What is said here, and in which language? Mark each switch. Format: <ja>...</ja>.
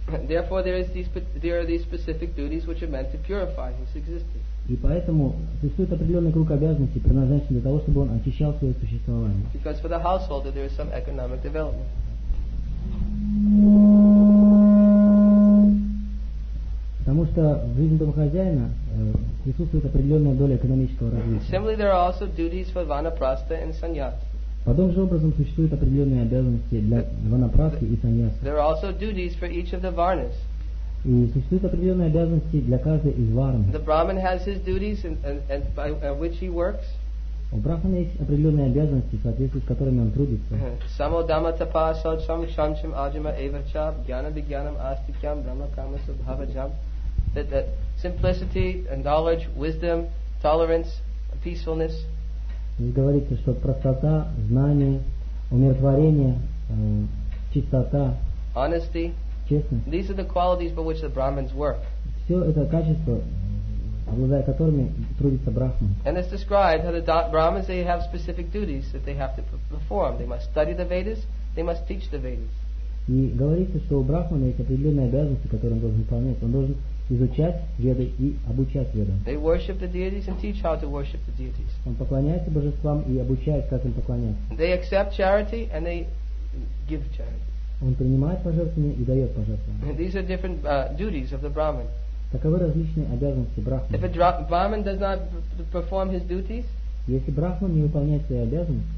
<en>Therefore, there are these specific duties which are meant to purify his existence.</en> <ru>И поэтому существует определенный круг обязанностей, предназначенный для того, чтобы он очищал свое существование.</ru> <en>Because for the householder there is some economic development.</en> <ru>Потому что в жизни домохозяина присутствует определенная доля экономического развития.</ru> <en>Similarly, there are also duties for vanaprastha and sannyasa.</en> <ru>Подобным же образом существуют определенные обязанности для ванапрасты и саньяса.</ru> <en>There are also duties for each of the varnas.</en> <ru>И существуют определенные обязанности для каждой из варн.</ru> <en>The brahmin has his duties and by which he works.</en> <ru>У брахмана есть определенные обязанности, в соответствии с которыми он трудится.</ru> <sa>Само дама тапа садшам шанчим аджима эвачам гьяна бигьянам астикьям брама кама субхаваджам.</sa> <en>That simplicity and knowledge, wisdom, tolerance, peacefulness.</en> <ru>Здесь говорится, что простота, знание, умиротворение, чистота,</ru> <en>honesty,</en> <ru>честность.</ru> <en>These are the qualities by which the Brahmins work.</en> <ru>Все это качество, обладая которыми трудится Брахман.</ru> <en>And it's described how the Brahmins, they have specific duties that they have to perform. They must study the Vedas, they must teach the Vedas.</en> <ru>И говорится, что у брахмана есть определенные обязанности, которые он должен выполнять. Он должен изучать веды и обучать ведам.</ru> <en>They worship the deities and teach how to worship the deities.</en> <ru>Он поклоняется божествам и обучает, как им поклоняться.</ru> <en>They accept charity and they give charity.</en> <ru>Он принимает пожертвования и дает пожертвования.</ru> <en>These are different duties of the brahman.</en> <ru>Таковы различные обязанности брахмана.</ru> <en>If a brahman does not perform his duties,</en> <ru>если брахман не выполняет свои обязанности,</ru>